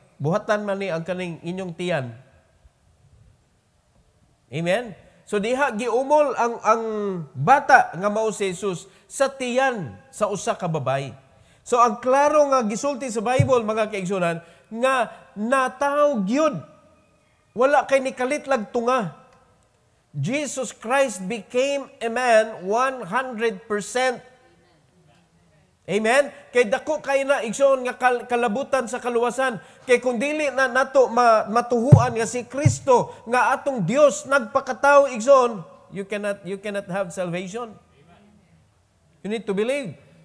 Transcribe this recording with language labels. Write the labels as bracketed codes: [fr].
[ceb] Buhatan man eh ang kaning inyong tiyan. Amen? So diha giumol ang bata nga mao si Jesus sa tiyan sa usa ka babae. So ang klaro nga gisulti sa Bible, mga kaigsoonan, nga nataw gyud. Wala kay nikalit lag tunga. [en] Jesus Christ became a man 100%. [ceb] Amen? Kay dako kay na igsoon nga kalabutan sa kaluwasan. Kay kung dili na nato matuhuan nga si Kristo nga atong Dios nagpakatawo igsoon, [en] you cannot have salvation. You need to believe.